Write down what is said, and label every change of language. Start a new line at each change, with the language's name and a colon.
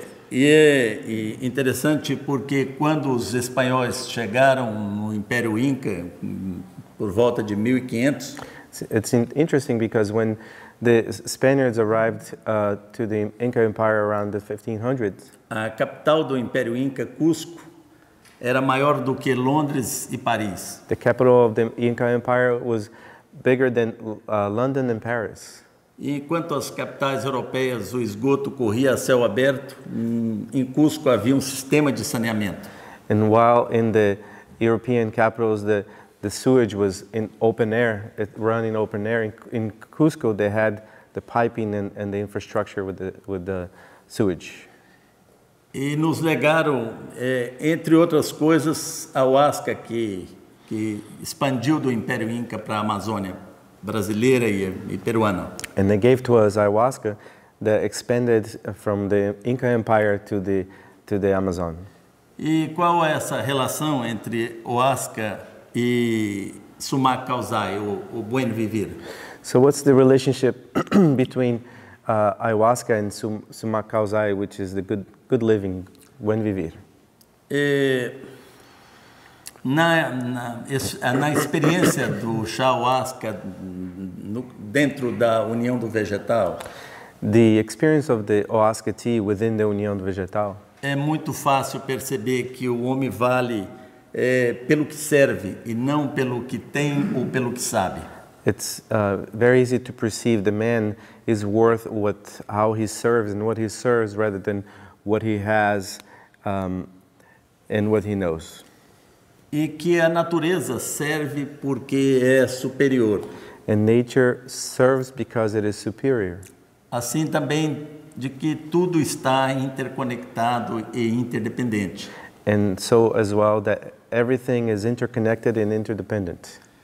Portuguese: E interessante porque quando os espanhóis chegaram no Império Inca por volta de 1500,
English: it's interesting because when the Spaniards arrived to the Inca Empire around the 1500s,
Portuguese: a capital do Império Inca, Cusco, era maior do que Londres e Paris.
English: The capital of the Inca Empire was bigger than London and Paris.
Portuguese: Enquanto as capitais europeias o esgoto corria a céu aberto, em Cusco havia um sistema de saneamento.
English: And while in the European capitals the sewage was in open air, it ran in open air, in Cusco they had the piping and the infrastructure with the sewage.
Portuguese: E nos legaram, entre outras coisas, a Huasca, que expandiu do Império Inca para a Amazônia brasileira e peruana.
English: And they gave to us ayahuasca that expanded from the Inca Empire to the Amazon.
Portuguese: E qual é essa relação entre ayahuasca e suma causai, o buen vivir?
English: So what's the relationship between ayahuasca and suma causai, which is the good living, buen vivir?
Portuguese: Na experiência do chá ayahuasca dentro da união do vegetal.
English: The experience of the ayahuasca tea within the união do vegetal.
Portuguese: É muito fácil perceber que o homem vale pelo que serve e não pelo que tem ou pelo que sabe.
English: It's very easy to perceive the man is worth how he serves and what he serves rather than what he has and what he knows.
Portuguese: E que a natureza serve porque é superior.
English: And nature serves because it is superior.
Portuguese: Assim também de que tudo está interconectado e interdependente.
English: And so as well that everything is interconnected and interdependent.